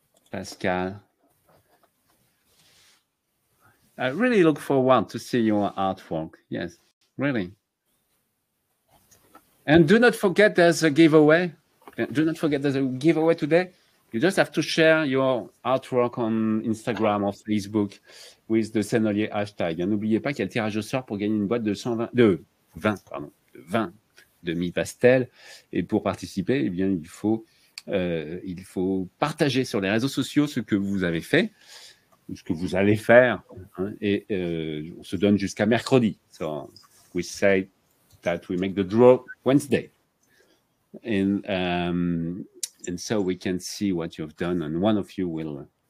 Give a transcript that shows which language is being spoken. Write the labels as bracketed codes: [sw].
[en] Pascal, I really look forward to see your artwork. Yes, really. And do not forget there's a giveaway. Do not forget there's a giveaway today. You just have to share your artwork on Instagram or Facebook with the Sennelier hashtag. [fr] Et n'oubliez pas qu'il y a le tirage au sort pour gagner une boîte de 20 demi-pastels. Et pour participer, eh bien, il faut partager sur les réseaux sociaux ce que vous avez fait, ce que vous allez faire, hein, et on se donne jusqu'à mercredi. [en] So we say that we make the draw Wednesday, and so we can see what you've done, and one of you will.